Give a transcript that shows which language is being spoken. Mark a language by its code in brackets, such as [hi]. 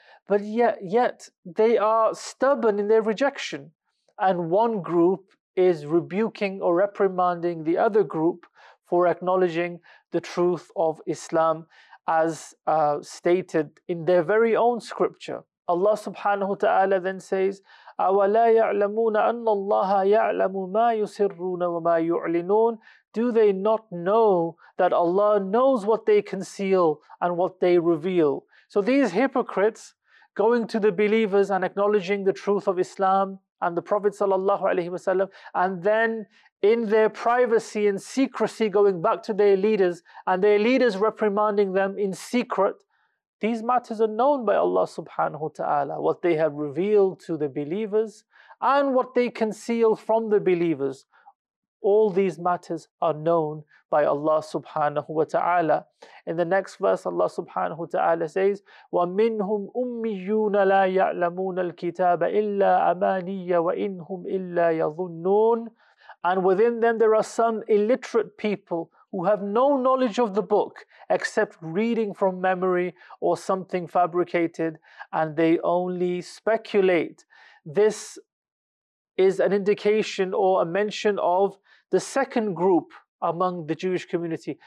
[en] But yet they are stubborn in their rejection. And one group is rebuking or reprimanding the other group for acknowledging the truth of Islam as stated in their very own scripture. Allah subhanahu wa ta'ala then says, [ar] أَوَلَا يَعْلَمُونَ أَنَّ اللَّهَ يَعْلَمُ مَا يُسِرُّونَ وَمَا يُعْلِنُونَ. [en] Do they not know that Allah knows what they conceal and what they reveal? So these hypocrites going to the believers and acknowledging the truth of Islam and the Prophet sallallahu alaihi wasallam, and then in their privacy and secrecy going back to their leaders, and their leaders reprimanding them in secret, These matters are known by Allah subhanahu wa ta'ala, what they have revealed to the believers and what they conceal from the believers. All these matters are known by Allah subhanahu wa ta'ala. In the next verse, Allah subhanahu wa ta'ala says, [ar] وَمِنْهُمْ أُمِّيُّونَ لَا يَعْلَمُونَ الْكِتَابَ إِلَّا أَمَانِيَّ وَإِنْهُمْ إِلَّا يَظُنُّونَ. [en] And within them there are some illiterate people who have no knowledge of the book except reading from memory or something fabricated, and they only speculate. This is an indication or a mention of the second group among the Jewish community.